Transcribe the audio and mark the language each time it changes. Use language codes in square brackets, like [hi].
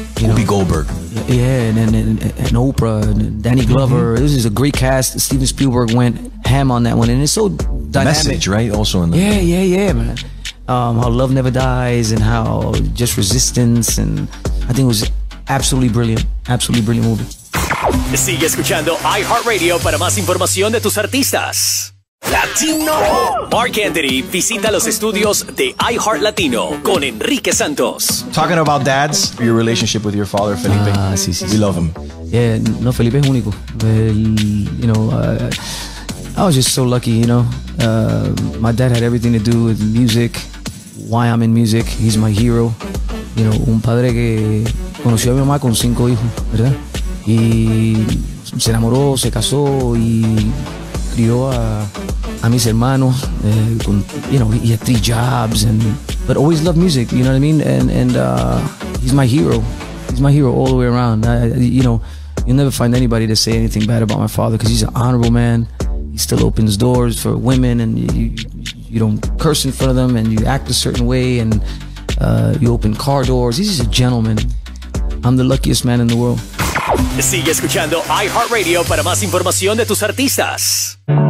[en] Whoopi Goldberg. Yeah, and Oprah and Danny Glover. This is a great cast. Steven Spielberg went ham on that one. And it's so dynamic. Message, right? Also in the Man. How love never dies and how just resistance. And I think it was absolutely brilliant. Absolutely brilliant movie. [es] Sigue escuchando iHeartRadio para más información de tus artistas. Latino. Mark Anthony visita los estudios de iHeartLatino con Enrique Santos. [en] Talking about dads, your relationship with your father, Felipe. [es] Sí. [en] Love him. Yeah, [es] no, Felipe es único. [en] I was just so lucky, you know. My dad had everything to do with music, why I'm in music. He's my hero. You know, [es] un padre que conoció a mi mamá con 5 hijos, ¿verdad? Y se enamoró, se casó y crió a a mis hermanos, con, [en] you know, he had 3 jobs, and but always loved music, you know what I mean? And he's my hero. He's my hero all the way around. You'll never find anybody to say anything bad about my father because he's an honorable man. He still opens doors for women, and you don't curse in front of them, and you act a certain way, and you open car doors. He's just a gentleman. I'm the luckiest man in the world. [es] Sigue escuchando iHeartRadio para más información de tus artistas.